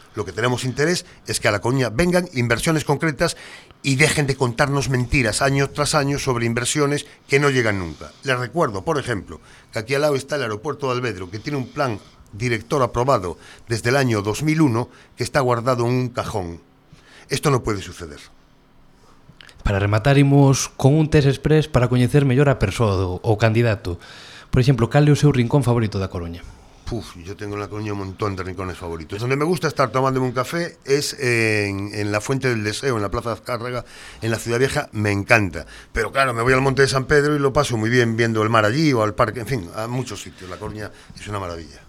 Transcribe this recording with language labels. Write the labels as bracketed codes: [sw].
[es] Lo que tenemos interés es que a La Coruña vengan inversiones concretas y dejen de contarnos mentiras año tras año sobre inversiones que no llegan nunca. Les recuerdo, por ejemplo, que aquí al lado está el aeropuerto de Alvedro, que tiene un plan director aprobado desde el año 2001 que está guardado en un cajón. Esto no puede suceder. [gl] Para rematar, imos con un test express para coñecer mellor a persoa o candidato. Por exemplo, cal é o seu rincón favorito da Coruña? [es] Puf, yo tengo en La Coruña un montón de rincones favoritos. Donde me gusta estar tomándome un café es en la Fuente del Deseo, en la Plaza de Azcárraga, en la Ciudad Vieja. Me encanta. Pero claro, me voy al Monte de San Pedro y lo paso muy bien viendo el mar allí o al parque, en fin, a muchos sitios. La Coruña es una maravilla.